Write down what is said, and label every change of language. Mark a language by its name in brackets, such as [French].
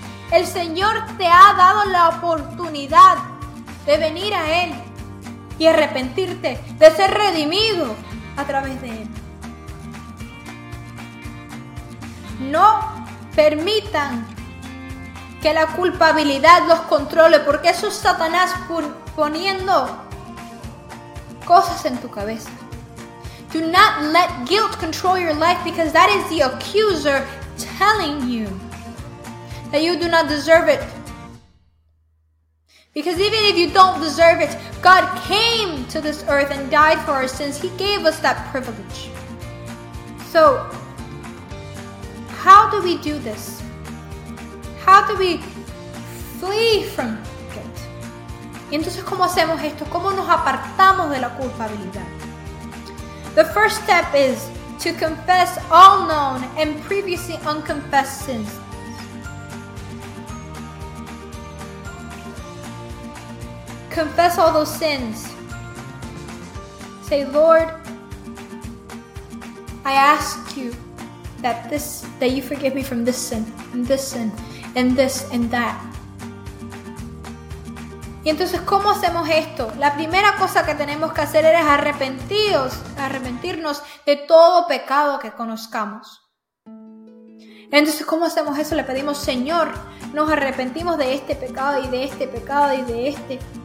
[Spanish] El Señor te ha dado la oportunidad de venir a Él y arrepentirte, de ser redimido a través de Él. No permitan que la culpabilidad los controle, porque eso es Satanás poniendo cosas en tu cabeza. [English] Do not let guilt control your life, because that is the accuser telling you that you do not deserve it. Because even if you don't deserve it, God came to this earth and died for our sins. He gave us that privilege. So, how do we do this? How do we flee from guilt? [Spanish] ¿Y entonces cómo hacemos esto? ¿Cómo nos apartamos de la culpabilidad? [English] The first step is to confess all known and previously unconfessed sins. Confess all those sins. Say, Lord, I ask you that you forgive me from this sin, and this and that. [Spanish] Y entonces, ¿cómo hacemos esto? La primera cosa que tenemos que hacer es arrepentirnos de todo pecado que conozcamos. Entonces, ¿cómo hacemos eso? Le pedimos: Señor, nos arrepentimos de este pecado y de este pecado y de este.